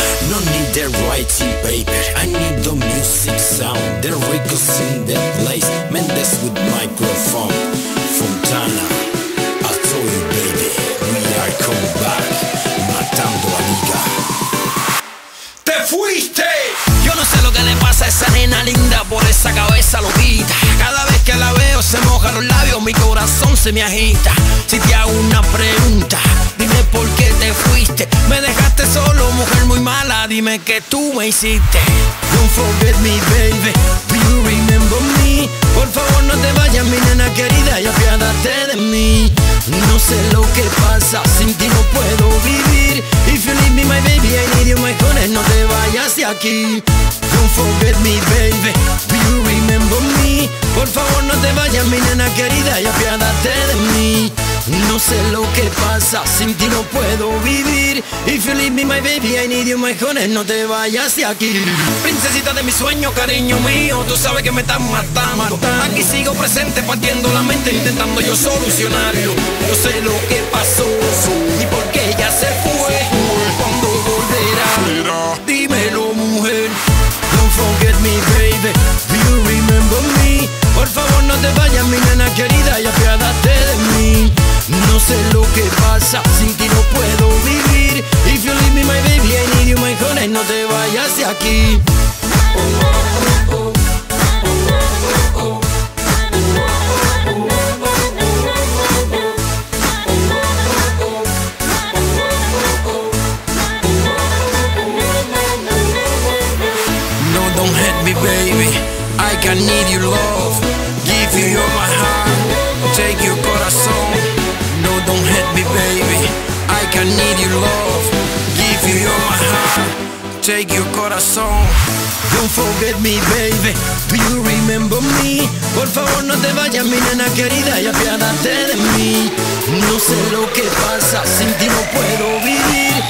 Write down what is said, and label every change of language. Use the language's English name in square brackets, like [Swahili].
[English] No need the writing paper, I need the music sound. The records in the place, Mendes with microphone. Fontana, I told you baby, we are coming back. [Spanish] Matando a Liga. Te fuiste. Yo no sé lo que le pasa a esa nena linda por esa cabeza loquita. Cada vez que la veo se moja los labios, mi corazón se me agita. Si te hago una pregunta, dime por qué te fuiste. Me dejaste solo, mujer muy mala, dime qué tú me hiciste. [English] Don't forget me, baby, do you remember me? [Spanish] Por favor no te vayas, mi nena querida, y apiádate de mí. No sé lo que pasa, sin ti no puedo vivir. [English] If you leave me, my baby, I need you, my honey, [Spanish] no te vayas de aquí. [English] Don't forget me, baby, do you remember me? [Spanish] Por favor no te vayas, mi nena querida, y apiádate de mí. No sé lo que pasa, sin ti no puedo vivir. [English] If you leave me, my baby, I need you, my honey, [Spanish] no te vayas de aquí. Princesita de mi sueño, cariño mío, tú sabes que me estás matando. Aquí sigo presente, partiendo la mente, intentando yo solucionarlo. No sé lo que pasó, y por qué ella se fue. ¿Cuándo volverá? Dímelo, mujer. [English] Don't forget me, baby, do you remember me? [Spanish] Por favor no te vayas, mi nena querida, y apiádate de mí. No sé lo que pasa, sin ti no puedo vivir. [English] If you leave me, my baby, I need you, my honey, [Spanish] no te vayas de aquí. [English] No, don't hurt me, baby, I can need you, love. Give you all my heart, take your corazón. No, don't hurt me, baby, I can need you, love. Give you all my heart, take your corazón. Don't forget me, baby, do you remember me? [Spanish] Por favor no te vayas, mi nena querida, y apiádate de mí. No sé lo que pasa, sin ti no puedo vivir.